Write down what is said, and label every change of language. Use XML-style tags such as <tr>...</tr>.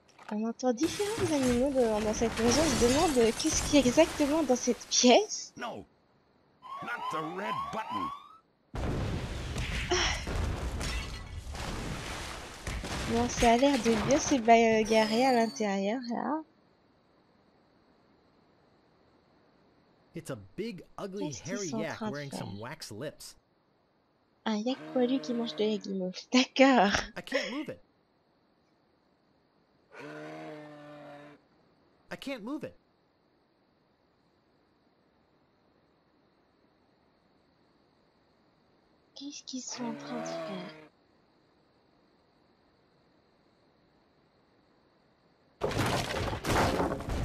<fr>On entend différents animaux dans cette maison. On se demande qu'est-ce qu'il y a exactement dans cette pièce.</fr> <en>Non. Not the red button.</en> <fr>Bon, ça a l'air de bien se bagarrer à l'intérieur là.</fr> <en>It's a big, ugly, hairy yak wearing some wax lips.</en> <fr>Un yak poilu qui mange de la guimauve. D'accord.</fr> <en>I can't move it. I can't move it.</en> <fr>Qu'est-ce qu'ils sont en train de faire?</fr>